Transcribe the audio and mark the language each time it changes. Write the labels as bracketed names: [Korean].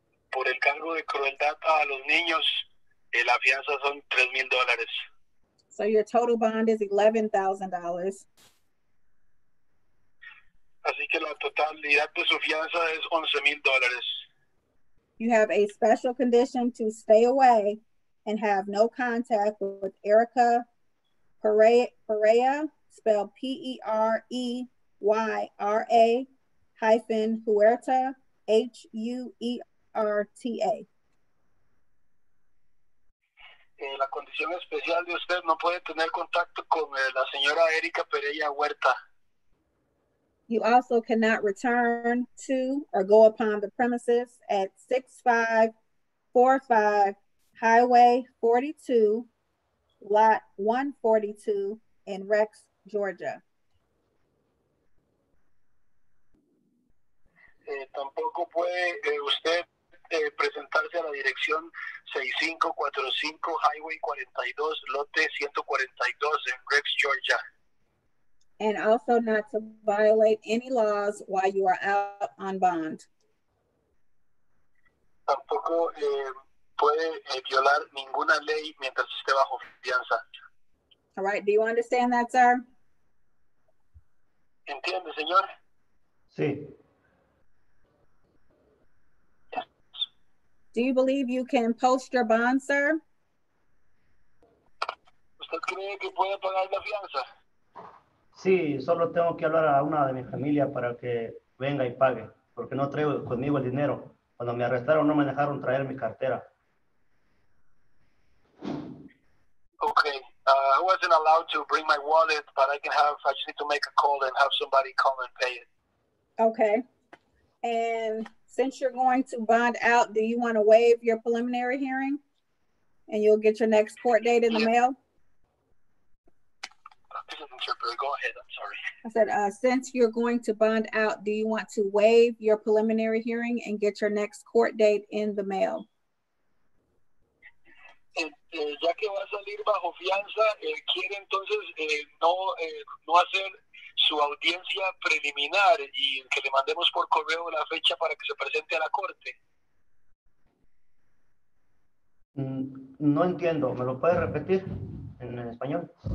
[Spanish] Por el cargo de crueldad a los niños, la fianza son $3,000. [English] So your total bond is $11,000. [Spanish] Así que la totalidad de su fianza es $11,000. [English] You have a special condition to stay away and have no contact with Erica Perea. Spelled P-E-R-E-Y-R-A hyphen Huerta, H-U-E-R-T-A. [Spanish] La condición especial de usted no puede tener contacto con la señora Erika Pereira Huerta. [English] You also cannot return to or go upon the premises at 6545 Highway 42, Lot 142 in Rex, Georgia. [Spanish] Tampoco puede usted presentarse a la dirección 6545 Highway 42, Lote 142 en Rex, Georgia. [English] and also not to violate any laws while you are out on bond. [Spanish] Tampoco puede violar ninguna ley mientras esté bajo fianza. [English] All right, do you understand that, sir? [Spanish] Entiende, señor. Sí. [English] Do you believe you can post your bond, sir? [Spanish] ¿Usted cree que puede pagar la fianza? Sí, solo tengo que hablar a una de mi familia para que venga y pague, porque no traigo conmigo el dinero. Cuando me arrestaron, no me dejaron traer mi cartera. [English] Okay, I wasn't allowed to bring my wallet, but I just need to make a call and have somebody come and pay it. Okay, and since you're going to bond out, do you want to waive your preliminary hearing? And you'll get your next court date in the mail? Go ahead, I'm sorry. I said, since you're going to bond out, do you want to waive your preliminary hearing and get your next court date in the mail? [Spanish] Ya que va a salir bajo fianza, quiere entonces no hacer su audiencia preliminar y que le mandemos por correo la fecha para que se presente a la corte. No entiendo, ¿me lo puede repetir en español?